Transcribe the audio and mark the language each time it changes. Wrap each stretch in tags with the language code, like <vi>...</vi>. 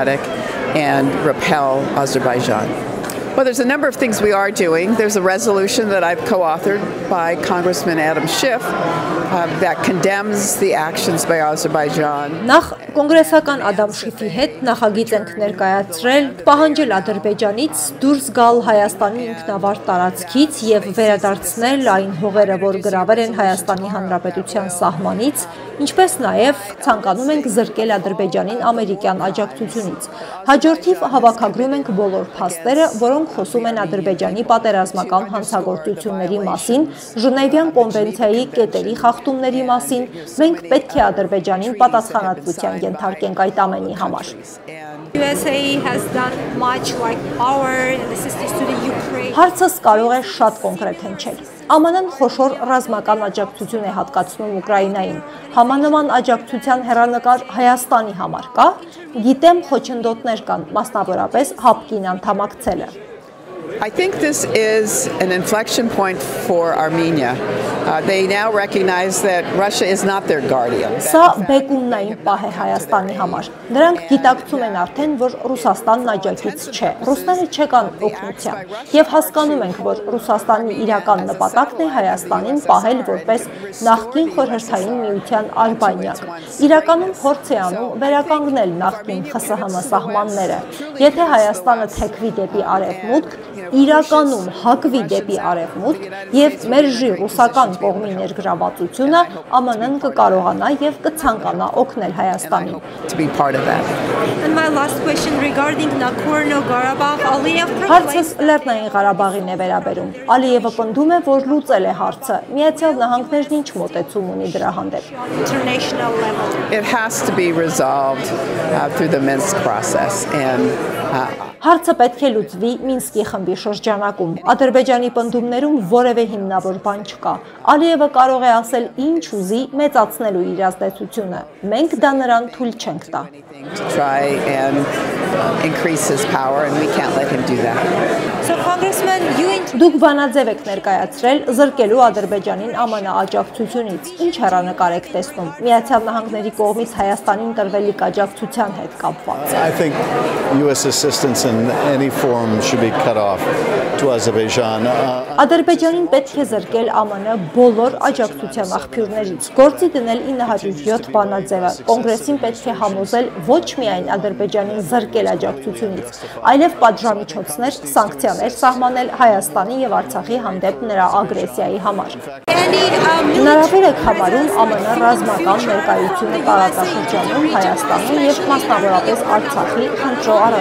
<en>Ադրբեջանին։ Well, there's a number of things we are doing. There's a resolution that I've co-authored by Congressman Adam Schiff that condemns the actions by Azerbaijan.</en> <hy>Նախ կոնգրեսական Ադամ Շիֆի հետ նախագիծ ենք ներկայացրել՝ պահանջել Ադրբեջանից դուրս գալ Հայաստանի ինքնավար տարածքից և վերադարձնել այն հողերը, որ գրավեր են Հայաստանի Հանրապետության սահմանից, ինչպես նաև ցանկանում ենք զրկել Ադրբեջանին ամերիկյան աջակցությունից։ Հաջորդիվ հավաքագրում ենք բոլոր փաստերը, որոնք խոսում են Ադրբեջանի պատերազմական հանցագործությունների մասին, Ժնևյան կոնվենցիայի կետերի խախտումների մասին, մենք պետք է Ադրբեջանին պատասխանատվության ենթարկենք այդ ամենի համար։</hy> <en>USA has done much like power and assistance to the Ukraine.</en> <hy>Հարցս կարող է շատ կոնկրետ հնչել։ ԱՄՆ-ն խոշոր ռազմական աջակցություն է հատկացնում Ուկրաինային։ Համանման աջակցության հեռանկար Հայաստանի համար կա։ Գիտեմ, խոչընդոտներ կան, մասնավորապես Հապկին անդամակցելը։</hy> <en>I think this is an inflection point for Armenia. They now recognize that Russia is not their guardian.</en> <hy>Սա բեկումնային պահ է Հայաստանի համար։ Նրանք գիտակցում են արդեն, որ Ռուսաստանն աջակից չէ։ Ռուսները չեկան օգնության։ Եվ հասկանում ենք, որ Ռուսաստանի իրական նպատակն է Հայաստանին պահել որպես նախկին խորհրդային միության Արբանյակ։ Իրականում փորձ է անում վերականգնել նախկին ԽՍՀՄ սահմանները։ Եթե Հայաստանը թեքվի դեպի արևմուտք, իրականում հակվի դեպի արևմուտք և մերժի ռուսական կողմի ներգրավվածությունը, ԱՄՆ-ն կկարողանա և կցանկանա օգնել Հայաստանին։</hy> <en>And my last question regarding Nagorno-Karabakh, Aliyev proclaimed.</en> <hy>Հարցը Լեռնային Ղարաբաղին է վերաբերում։ Ալիևը պնդում է, որ լուծել է հարցը։ Միացյալ Նահանգներն ինչ մոտեցում ունի դրա հանդեպ։</hy> <en>International level. It has to be resolved through the Minsk process and</en> <hy>Հարցը պետք է լուծվի Մինսկի խմբի շրջանակում։ Ադրբեջանի պնդումներում որևէ հիմնավոր բան չկա։ Ալիևը կարող է ասել ինչ ուզի, մեծացնելու իր ազդեցությունը։ Մենք դա նրան թույլ չենք տա։ Դուք վանաձև եք ներկայացրել զրկելու Ադրբեջանին ԱՄՆ աջակցությունից։ Ինչ հեռանկար եք տեսնում Միացյալ Նահանգների կողմից Հայաստանին տրվելի աջակցության հետ կապված։</hy> <en>I think US assistance in any form should be cut off to Azerbaijan.</en> <hy>Ադրբեջանին պետք է զրկել ԱՄՆ բոլոր աջակցության աղբյուրներից, գործի դնել 907 բանաձևը։ Կոնգրեսին պետք է համոզել ոչ միայն Ադրբեջանին զրկել աջակցությունից, այլև պատժամիջոցներ, սանկցիաներ սահմանել Հայաստանի և Արցախի հանդեպ նրա ագրեսիայի համար։ Հնարավոր է համարում ԱՄՆ ռազմական ներկայությունը տարածաշրջանում Հայաստանի և մասնավորապես Արցախի հանդրո</hy>